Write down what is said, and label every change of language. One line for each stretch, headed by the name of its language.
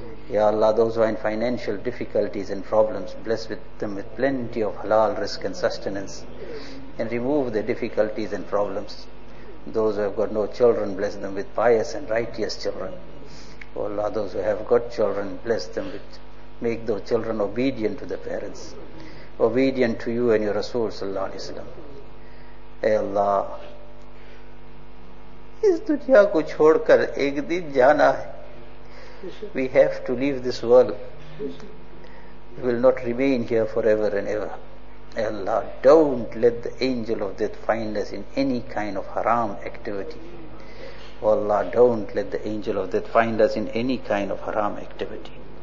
English: Ya Allah, those who are in financial difficulties and problems, bless with them with plenty of halal risk and sustenance, and remove their difficulties and problems. Those who have got no children, bless them with pious and righteous children. Oh Allah, those who have got children, bless them with, make those children obedient to their parents, obedient to you and your Rasul sallallahu alayhi wa sallam.
Urdu: Ya Allah, اس دنیا کو چھوڑ کر ایک دن جانا ہے.
English: We have to leave this world. We will not remain here forever and ever. Ya Allah, don't let the angel of death find us in any kind of haram activity. Oh Allah, don't let the angel of death find us in any kind of haram activity.